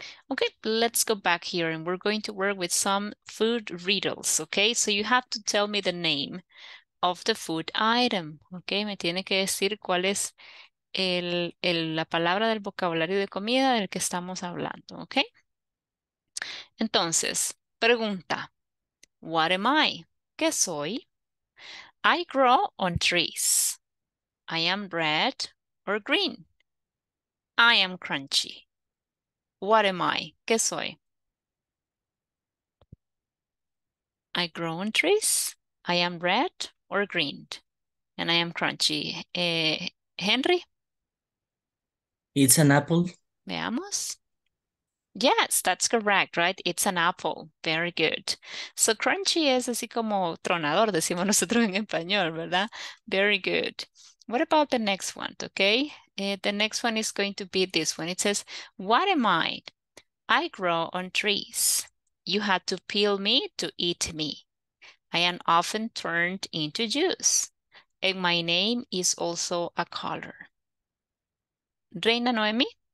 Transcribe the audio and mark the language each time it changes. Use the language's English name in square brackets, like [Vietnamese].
[English] Okay, let's go back here and we're going to work with some food riddles, okay? So you have to tell me the name of the food item, okay? [Spanish] Me tiene que decir cuál es la palabra del vocabulario de comida del que estamos hablando, okay? Entonces, pregunta. [English] What am I? [Spanish] ¿Qué soy? [English] I grow on trees. I am red or green. I am crunchy. What am I? [Spanish] ¿Qué soy? [English] I grow on trees. I am red or green. And I am crunchy. Henry? It's an apple. [Spanish] Veamos. [English] Yes, that's correct, right? It's an apple. Very good. [Spanish] So crunchy es así como tronador, decimos nosotros en español, ¿verdad? [English] Very good. What about the next one, okay? The next one is going to be this one. It says, what am I? I grow on trees. You had to peel me to eat me. I am often turned into juice. And my name is also a color. Reina Noemi?